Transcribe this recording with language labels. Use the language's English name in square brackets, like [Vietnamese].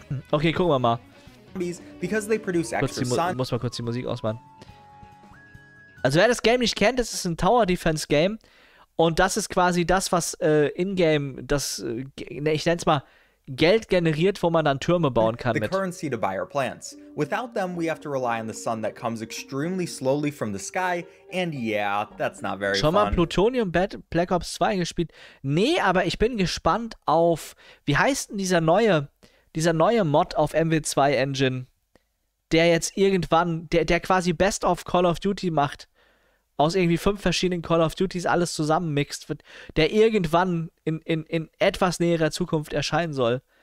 [German] Okay, gucken wir mal. Muss mal kurz die Musik ausmachen. Also wer das Game nicht kennt, das ist ein Tower-Defense-Game. Und das ist quasi das, was in-game, das, ich nenne es mal, Geld generiert, wo man dann Türme bauen kann mit. [English] The currency to buy our plants. Without them, we have to rely on the sun that comes extremely slowly from the sky. And yeah, that's not very fun. [German] Schon mal Plutonium Bad Black Ops 2 gespielt? Nee, aber ich bin gespannt auf, wie heißt denn dieser neue Mod auf MW2 Engine, der jetzt irgendwann, der quasi Best of Call of Duty macht. Aus irgendwie 5 verschiedenen Call of Duties alles zusammenmixt, der irgendwann in etwas näherer Zukunft erscheinen soll.